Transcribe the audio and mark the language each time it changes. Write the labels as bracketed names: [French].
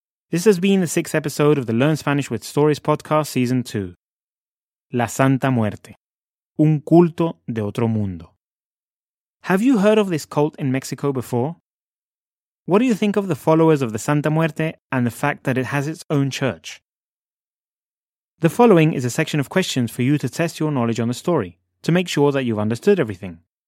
[English] This has been the 6th episode of the Learn Spanish with Stories podcast, Season 2. [Spanish] La Santa Muerte, un culto de otro mundo. [English] Have you heard of this cult in Mexico before? What do you think of the followers of the Santa Muerte and the fact that it has its own church? The following is a section of questions for you to test your knowledge on the story, to make sure that you've understood everything.